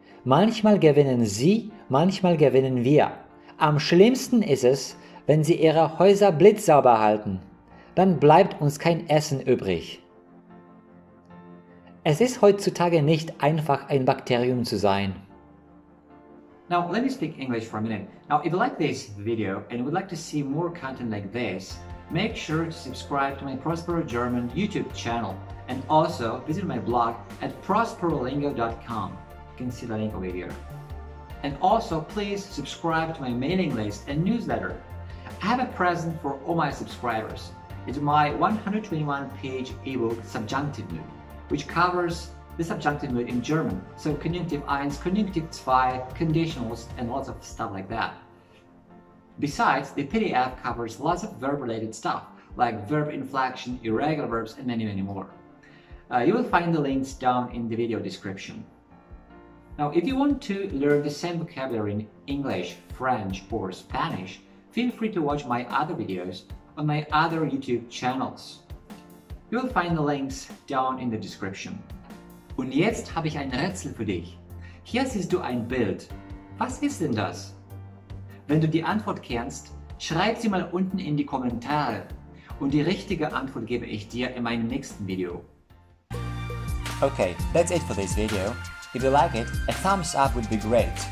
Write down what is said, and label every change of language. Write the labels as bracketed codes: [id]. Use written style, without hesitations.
[de] Manchmal gewinnen Sie, manchmal gewinnen wir. Am schlimmsten ist es, wenn Sie Ihre Häuser blitzsauber halten. Dann bleibt uns kein Essen übrig. Es ist heutzutage nicht einfach, ein Bakterium zu sein. [en] Now, let me speak English for a minute. Now, if you like this video and would like to see more content like this, make sure to subscribe to my Prospero German YouTube channel and also visit my blog at prosperolingo.com. You can see the link over here. And also, please subscribe to my mailing list and newsletter. I have a present for all my subscribers. It's my 121-page ebook, Subjunctive Mood, which covers the subjunctive mood in German. So Konjunktiv 1, Konjunktiv 2, conditionals, and lots of stuff like that. Besides, the PDF covers lots of verb-related stuff, like verb inflection, irregular verbs, and many, many more. You will find the links down in the video description. Now, if you want to learn the same vocabulary in English, French, or Spanish, feel free to watch my other videos on my other YouTube channels. You will find the links down in the description. [de] Und jetzt habe ich ein Rätsel für dich. Hier siehst du ein Bild. Was ist denn das? Wenn du die Antwort kennst, schreib sie mal unten in die Kommentare. Und die richtige Antwort gebe ich dir in meinem nächsten Video. [en] Okay, that's it for this video. If you like it, a thumbs up would be great.